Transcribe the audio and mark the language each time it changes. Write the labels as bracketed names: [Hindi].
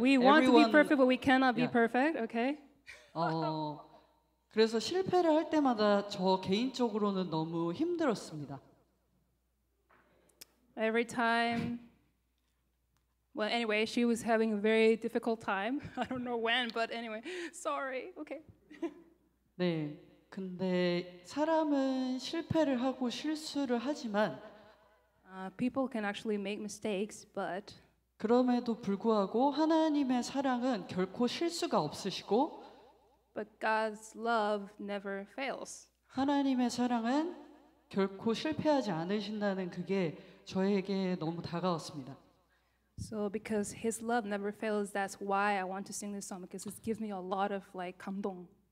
[English] we want to be perfect, but we cannot be perfect. Okay. [Korean] 그래서 실패를 할 때마다 저 개인적으로는 너무 힘들었습니다. [English] Every time. Well, anyway, she was having a very difficult time. I don't know when, but anyway, sorry. Okay. [Korean] 네, 근데 사람은 실패를 하고 실수를 하지만 [English] people can actually make mistakes, but [Korean] 그럼에도 불구하고 하나님의 사랑은 결코 실수가 없으시고 [English] but God's love never fails. [Korean] 하나님의 사랑은 결코 실패하지 않으신다는 그게 저에게 너무 다가왔습니다. [English] So because his love never fails, that's why I want to sing this song because it gives me a lot of like 감동.